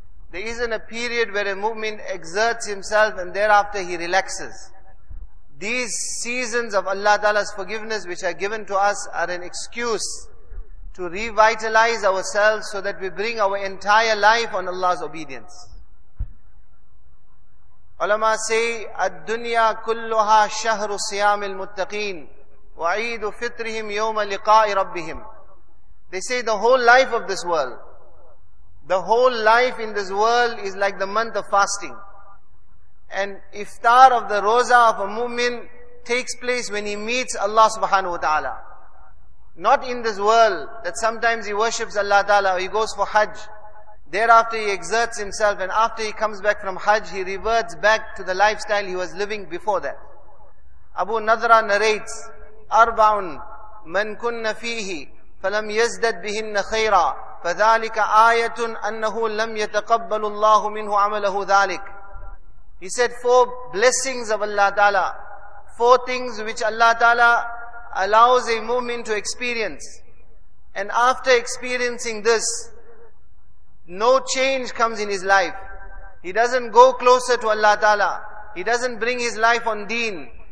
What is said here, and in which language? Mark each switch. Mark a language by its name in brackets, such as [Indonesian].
[English] There isn't a period where a mu'min exerts himself and thereafter he relaxes. These seasons of Allah Ta'ala's forgiveness which are given to us are an excuse to revitalize ourselves so that we bring our entire life on Allah's obedience. Ulama say, [Arabic] الدُّنْيَا كُلُّهَا شَهْرُ سِيَامِ الْمُتَّقِينَ وَعِيدُ فِطْرِهِمْ يَوْمَ لِقَاءِ رَبِّهِمْ. [English] They say the whole life of this world, the whole life in this world is like the month of fasting. And iftar of the roza of a mu'min takes place when he meets Allah subhanahu wa ta'ala. Not in this world that sometimes he worships Allah ta'ala or he goes for hajj. Thereafter he exerts himself and after he comes back from hajj, he reverts back to the lifestyle he was living before that. Abu Nadra narrates, [Arabic] أَرْبَعٌ مَنْ كُنَّ فِيهِ فَلَمْ يَزْدَدْ بِهِنَّ خَيْرًا فَذَلِكَ آيَةٌ أَنَّهُ لَمْ يَتَقَبَّلُ اللَّهُ مِنْهُ عَمَلَهُ ذَلِكَ. [English] He said four blessings of Allah Ta'ala, four things which Allah Ta'ala allows a mu'min to experience. And after experiencing this, no change comes in his life. He doesn't go closer to Allah Ta'ala. He doesn't bring his life on deen.